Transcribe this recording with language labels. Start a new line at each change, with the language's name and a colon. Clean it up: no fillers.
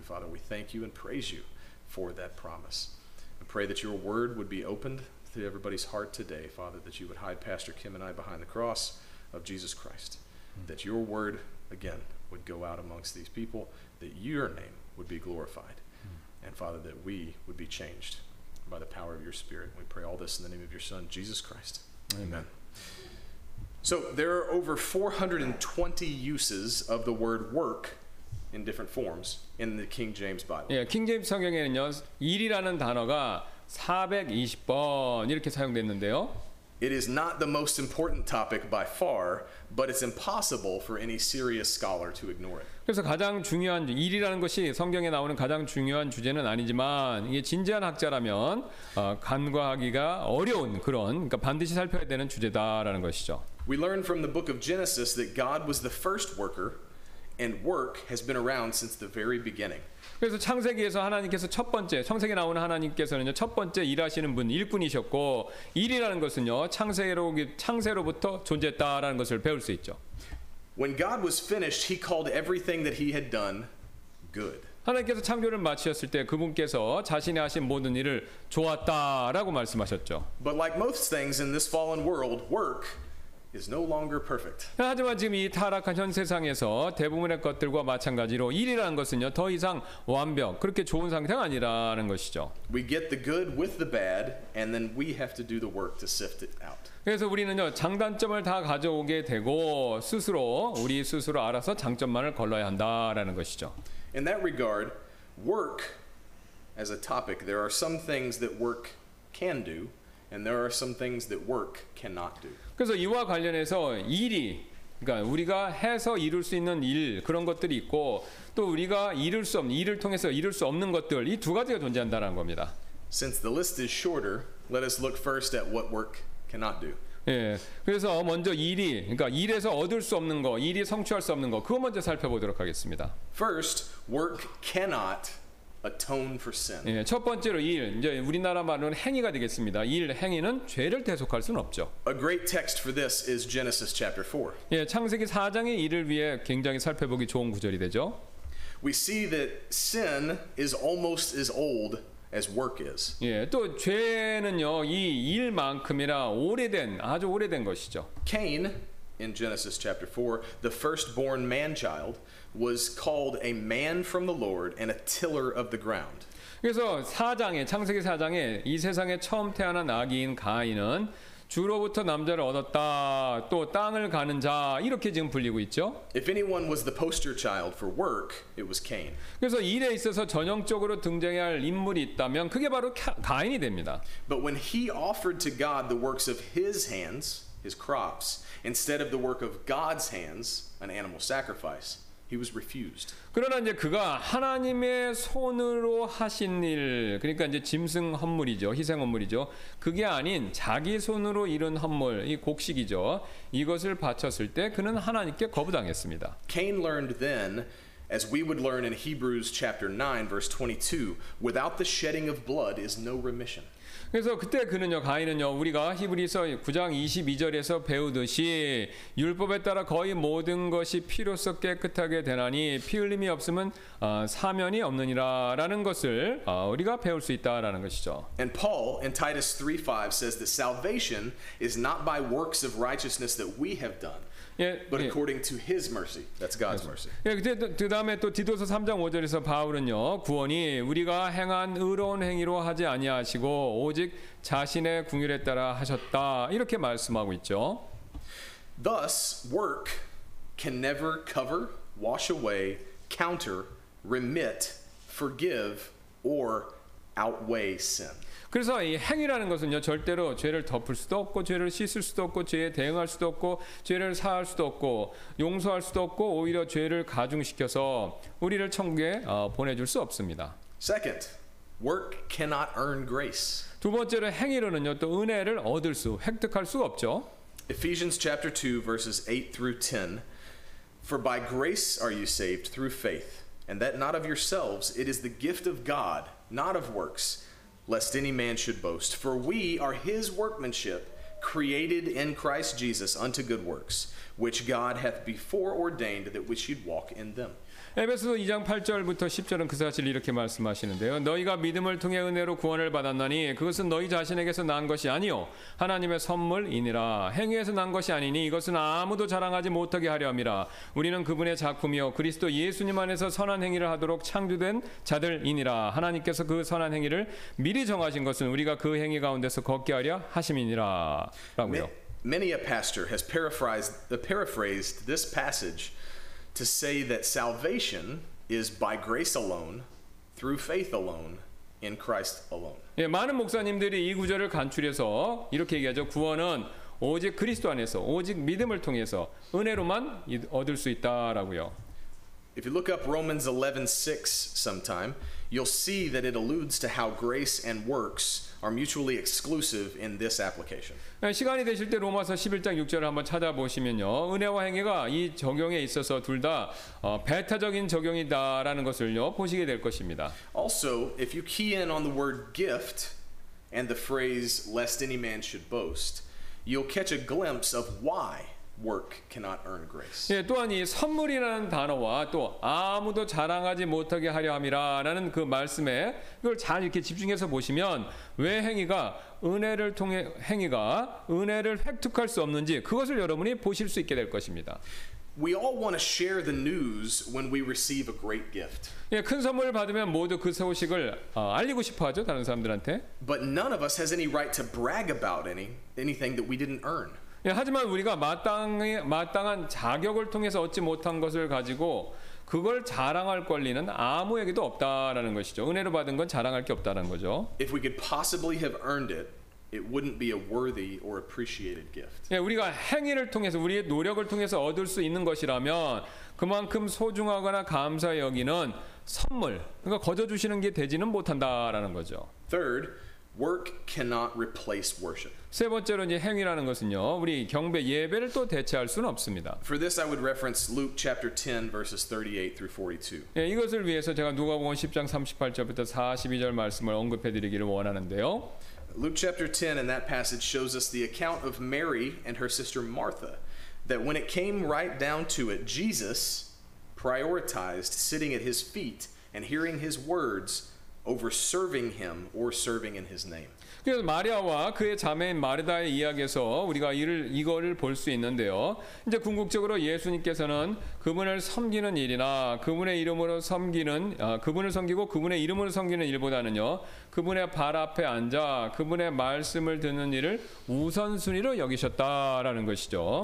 English: Father, we thank you and praise you for that promise. I pray that your word would be opened to everybody's heart today, Father, that you would hide Pastor Kim and I behind the cross of Jesus Christ, that your word, again, would go out amongst these people, that your name would be glorified, and Father, that we would be changed by the power of your Spirit. We pray all this in the name of your Son, Jesus Christ. Amen. Amen. So there are over 420 uses of the word work in different forms in the King James Bible.
Korean: 예, 킹제임스 성경에는요, 일이라는 단어가 420번 이렇게 사용됐는데요.
English: It is not the most important topic by far, but it's impossible for any serious scholar to ignore it.
Korean: 그래서 가장 중요한 일이라는 것이 성경에 나오는 가장 중요한 주제는 아니지만 이게 진지한 학자라면 간과하기가 어려운 그런 그러니까 반드시 살펴야 되는 주제다라는 것이죠.
English: We learn from the book of Genesis that God was the first worker and work has been around since the very beginning.
Korean: 그래서 창세기에서 하나님께서 첫 번째 창세기 나오는 하나님께서는요 첫 번째 일하시는 분 일꾼이셨고 일이라는 것은요 창세로부터 존재했다라는 것을 배울 수 있죠.
English: When God was finished, he called everything that he had done good.
Korean: 하나님께서 창조를 마치셨을 때 그분께서 자신이 하신 모든 일을 좋았다라고 말씀하셨죠.
English: But like most things in this fallen world, work is no longer perfect.
Korean: 하지만 지금 이 타락한 현 세상에서 대부분의 것들과 마찬가지로 일이라는 것은요 더 이상 완벽 그렇게 좋은 상태가 아니라는 것이죠.
English: We get the good with the bad, and then we have to do the work to sift it out.
Korean: 그래서 우리는요 장단점을 다 가져오게 되고 우리 스스로 알아서 장점만을 걸러야 한다라는 것이죠.
English: In that regard, work as a topic, there are some things that work can do, and there are some things that work cannot do.
Korean: 그래서 이와 관련해서 일이 그러니까 우리가 해서 이룰 수 있는 일 그런 것들이 있고 또 우리가 이룰 수 없는 일을 통해서 이룰 수 없는 것들 이 두 가지가 존재한다라는 겁니다.
English: Since the list is shorter, let us look first at what work cannot do. 예.
Korean: 그래서 먼저 일이 그러니까 일에서 얻을 수 없는 거, 일이 성취할 수 없는 거 그거 먼저 살펴보도록 하겠습니다.
English: First, work cannot atone for sin.
Korean: 예, 첫 번째로 일 이제 우리나라 말로는 행위가 되겠습니다. 일 행위는 죄를 대속할 수는 없죠.
English: A great text for this is Genesis chapter 4.
Korean: 예, 창세기 4장의 일을 위해 굉장히 살펴보기 좋은 구절이 되죠.
English: We see that sin is almost as old as work is.
Korean: 예, 또 죄는요. 이 일만큼이나 오래된 아주 오래된 것이죠.
English: Cain in Genesis chapter 4, the firstborn man-child was called a man from the Lord and a tiller of the ground.
Korean: 그래서 4장에 창세기 4장에 이 세상에 처음 태어난 아기인 가인은 주로부터 남자를 얻었다. 또 땅을 가는 자 이렇게 지금 불리고 있죠.
English: If anyone was the poster child for work, it was Cain.
Korean: 그래서 일에 있어서 전형적으로 등장해야 할 인물이 있다면 그게 바로 가인이 됩니다.
English: But when he offered to God the works of his hands, his crops, instead of the work of God's hands, an animal sacrifice, he was refused.
Korean: 그러나 이제 그가 하나님의 손으로 하신 일, 그러니까 이제 짐승 헌물이죠, 희생 헌물이죠. 그게 아닌 자기 손으로 이룬 헌물, 이 곡식이죠. 이것을 바쳤을 때 그는 하나님께 거부당했습니다.
English: Cain learned then, as we would learn in Hebrews chapter 9, verse 22, without the shedding of blood is no remission.
Korean: 그래서 그때 그는요, 가인은요, 우리가 히브리서 9장 22절에서 배우듯이 율법에 따라 거의 모든 것이 피로써 깨끗하게 되나니 피 흘림이 없으면 사면이 없느니라라는 것을 우리가 배울 수 있다라는 것이죠.
English: And Paul in Titus 3:5 says that salvation is not by works of righteousness that we have done. But according to his mercy, that's God's mercy.
Korean: 예, 그 다음에 또 디도서 3장 5절에서 바울은요, 구원이 우리가 행한 의로운 행위로 하지 아니하시고 오직 자신의 궁휼에 따라 하셨다 이렇게 말씀하고 있죠.
English: Thus, work can never cover, wash away, counter, remit, forgive, or outweigh sin.
Korean: 그래서 이 행위라는 것은요 절대로 죄를 덮을 수도 없고 죄를 씻을 수도 없고 죄에 대응할 수도 없고 죄를 사할 수도 없고 용서할 수도 없고 오히려 죄를 가중시켜서 우리를 천국에 보내줄 수 없습니다.
English: Second, work cannot earn grace.
Korean: 두 번째로 행위로는요 또 은혜를 얻을 수 획득할 수 없죠.
English: Ephesians chapter 2 verses 8 through 10. For by grace are you saved through faith, and that not of yourselves, it is the gift of God, not of works. Lest any man should boast. For we are his workmanship, created in Christ Jesus unto good works, which God hath before ordained that we should walk in them.
Korean: 에베소서 2장 8절부터 10절은 그 사실 이렇게 말씀하시는데요. 너희가 믿음을 통해 은혜로 구원을 받았나니 그것은 너희 자신에게서 난 것이 아니요 하나님의 선물이니라. 행위에서 난 것이 아니니 이것은 아무도 자랑하지 못하게 하려 함이라. 우리는 그분의 작품이요 그리스도 예수님 안에서 선한 행위를 하도록 창조된 자들이니라. 하나님께서 그 선한 행위를 미리 정하신 것은 우리가 그 행위 가운데서 걷게 하려 하심이니라. 라고요.
English: Many a pastor has paraphrased this passage to say that salvation is by grace alone, through faith alone, in Christ alone.
Korean: 예, 많은 목사님들이 이 구절을 간추려서 이렇게 얘기하죠. 구원은 오직 그리스도 안에서, 오직 믿음을 통해서 은혜로만 얻을 수 있다라고요.
English: If you look up Romans 11:6 sometime, you'll see that it alludes to how grace and works are mutually exclusive in this application.
Korean: 시간이 되실 때 로마서 11장 6절을 한번 찾아보시면요, 은혜와 행위가 이 적용에 있어서 둘 다 배타적인 적용이다라는 것을요 보시게 될 것입니다.
English: Also, if you key in on the word gift and the phrase "lest any man should boast," you'll catch a glimpse of why work cannot earn grace.
Korean: 예, 또한 이 선물이라는 단어와 또 아무도 자랑하지 못하게 하려 함이라라는 그 말씀에 이걸 잘 이렇게 집중해서 보시면 왜 행위가 은혜를 통해 행위가 은혜를 획득할 수 없는지 그것을 여러분이 보실 수 있게 될 것입니다.
English: We all want to share the news when we receive a great gift.
Korean: 예, 큰 선물을 받으면 모두 그 소식을 알리고 싶어 하죠, 다른 사람들한테.
English: But none of us has any right to brag about anything that we didn't earn.
Korean: 예, 하지만 우리가 마땅한 자격을 통해서 얻지 못한 것을 가지고 그걸 자랑할 권리는 아무에게도 없다라는 것이죠. 은혜로 받은 건 자랑할 게 없다라는 거죠.
English: If we could possibly have earned it, it wouldn't be a worthy or appreciated gift.
Korean: 예, 우리가 행위를 통해서 우리의 노력을 통해서 얻을 수 있는 것이라면 그만큼 소중하거나 감사 여기는 선물, 그러니까 거저 주시는 게 되지는 못한다라는 거죠.
English: Third, work cannot replace worship.
Korean: 세 번째로 이제 행위라는 것은요, 우리 경배 예배를 또 대체할 수는 없습니다.
English: For this, I would reference Luke chapter 10, verses 38 through 42.
Korean: 예, 이것을 위해서 제가 누가복음 10장 38절부터 42절 말씀을 언급해드리기를 원하는데요.
English: Luke chapter 10, and that passage shows us the account of Mary and her sister Martha, that when it came right down to it, Jesus prioritized sitting at his feet and hearing his words over serving him or serving in his name.
Korean: 그래서 마리아와 그의 자매인 마르다의 이야기에서 우리가 이거를 볼 수 있는데요. 이제 궁극적으로 예수님께서는 그분을 섬기는 일이나 그분의 이름으로 섬기는 그분을 섬기고 그분의 이름으로 섬기는 일보다는요. 그분의 발 앞에 앉아 그분의 말씀을 듣는 일을 우선순위로 여기셨다라는 것이죠.